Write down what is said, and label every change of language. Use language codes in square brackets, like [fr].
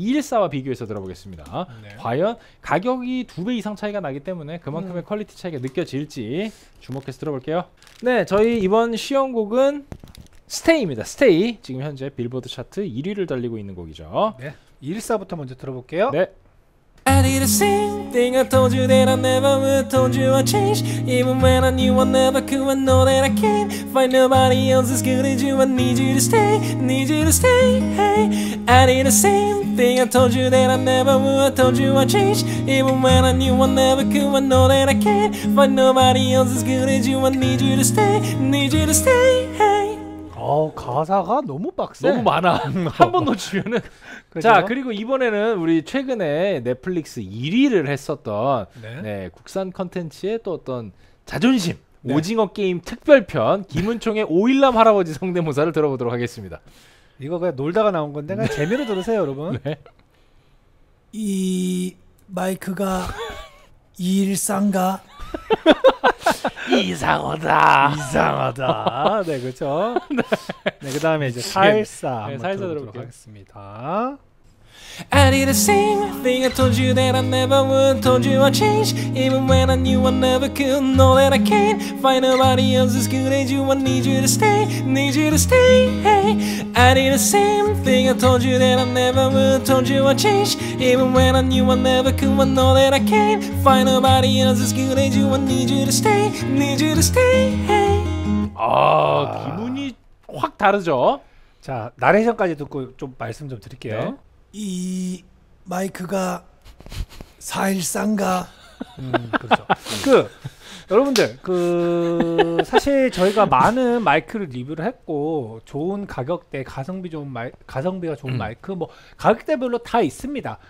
[ko] 214와 비교해서 들어보겠습니다. 네. 과연 가격이 2배 이상 차이가 나기 때문에 그만큼의 퀄리티 차이가 느껴질지 주목해서 들어볼게요. 네, 저희 이번 시연곡은 스테이입니다. 스테이. 지금 현재 빌보드 차트 1위를 달리고 있는 곡이죠. 네, 214부터 먼저 들어볼게요. 네. [en] I did the same thing I told you that I never would told you I'd change Even when I knew I never could I know that I can't Find nobody else as good as you I need you to stay, hey I did the same thing I told you that I never would told you I'd change Even when I knew I never could I know that I can't Find nobody else as good as you I need you to stay, hey [ko] 가사가 너무 빡세. 너무 많아. 한번 놓치면은. 자, 그리고 이번에는 우리 최근에 넷플릭스 1위를 했었던 네? 네, 국산 콘텐츠의 또 어떤 자존심. 네. 오징어 게임 특별편 김은총의 오일남 할아버지 성대모사를 들어보도록 하겠습니다. 이거 그냥 놀다가 나온 건데 그냥 재미로 들으세요, 여러분. 네. 이 마이크가 일상가 이상하다. 이상하다. 네, 그렇죠. 네. 네, 그다음에 이제 살사 네, 한번 살사 들어보도록 하겠습니다. [en] I did the same thing I told you that I never would told you I'd change Even when I knew I never could know that I can't Find nobody else as good as you I need you to stay, hey I did the same thing I told you that I never would told you I'd change Even when I knew I never could I know that I can't Find nobody else as good as you I need you to stay, hey [ko] 아, 기분이 확 다르죠? 자, 나레이션까지 듣고 좀 말씀 좀 드릴게요. 네. 이 마이크가 사일상가 그렇죠. 여러분들 그 사실 저희가 많은 마이크를 리뷰를 했고 좋은 가격대 가성비 좋은 가성비가 좋은 마이크 뭐 가격대별로 다 있습니다.